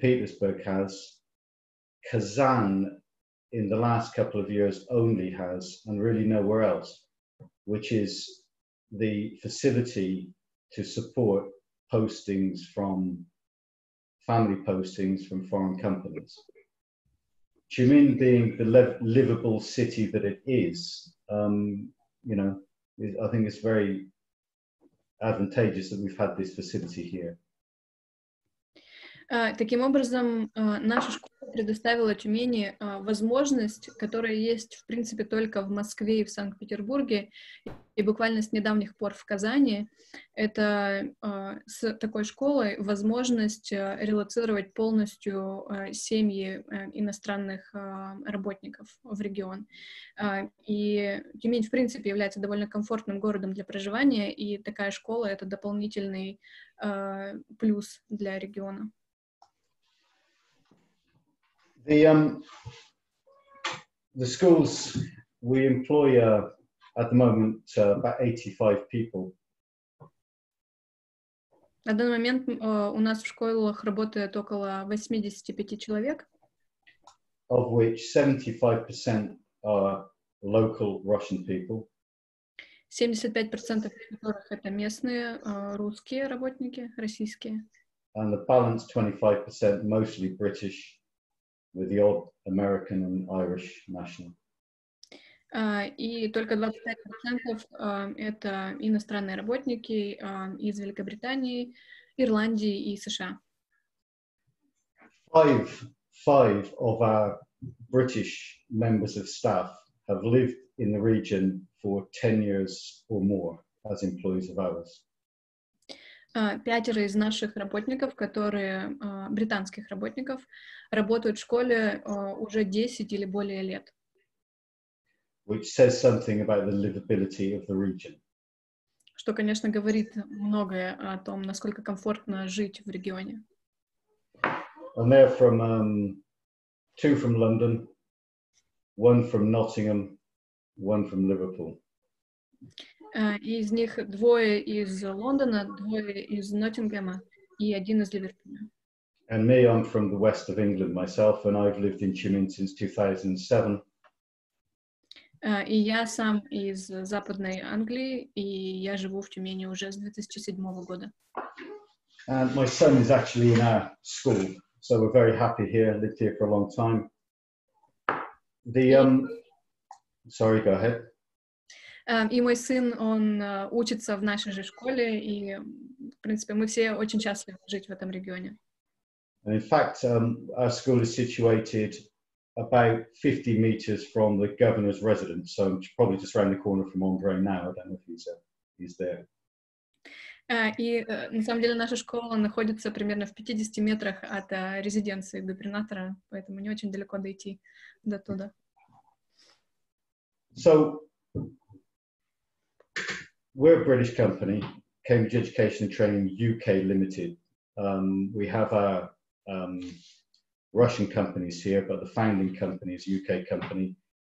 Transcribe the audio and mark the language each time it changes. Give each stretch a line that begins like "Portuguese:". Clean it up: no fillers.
English: Petersburg has, Kazan in the last couple of years only has, and really nowhere else, which is the facility to support postings from family postings from foreign companies. Tumen being the livable city that it is, you know, I think it's very advantageous that we've had this facility here.
Russian: Таким образом, наша школа предоставила Тюмени возможность, которая есть, в принципе, только в Москве и в Санкт-Петербурге, и буквально с недавних пор в Казани. Это с такой школой возможность релоцировать полностью семьи иностранных работников в регион. И Тюмень, в принципе, является довольно комфортным городом для проживания, и такая школа — это дополнительный плюс для региона.
English: The schools, we employ at the moment about 85 people.
Russian: На данный момент у нас в школах работает около 85 человек.
English: Of which 75% are local Russian people.
Russian: 75% из которых это местные русские работники, российские.
English: And the balance 25% mostly British. With the old American and Irish national.
Russian: И только 25% это иностранные работники из Великобритании, Ирландии и США.
English: Five of our British members of staff have lived in the region for 10 years or more as employees of ours.
Russian: Пятеро из наших работников, которые британских работников, работают в школе уже 10 или более лет.
English: Which says something about the livability of the region.
Russian: Что, конечно, говорит многое о том, насколько комфортно жить в регионе.
English: And they're from two from London, one from Nottingham, one from Liverpool.
Russian: Из них двое из Лондона, двое из Ноттингема и один из Ливерпуля.
English: And me, I'm from the west of England myself, and I've lived in Tumen since 2007.
Russian: И я сам из Западной Англии, и я живу в Тюмени уже с 2007 года.
English: And my son is actually in our school, so we're very happy here, lived here for a long time. Sorry, go ahead.
Russian: И мой сын, он учится в нашей же школе, и, в принципе, мы все очень счастливы жить в этом регионе.
English: And in fact, our school is situated about 50 meters from the governor's residence. So I'm probably just around the corner from Andre now. I don't know if he's there.
Russian: И на самом деле наша школа находится примерно в 50 метрах от резиденции губернатора, поэтому не очень далеко дойти до туда.
English: So, we're a British company, Cambridge Education and Training UK Limited. We have our Russian companies here, but the founding company is a UK company.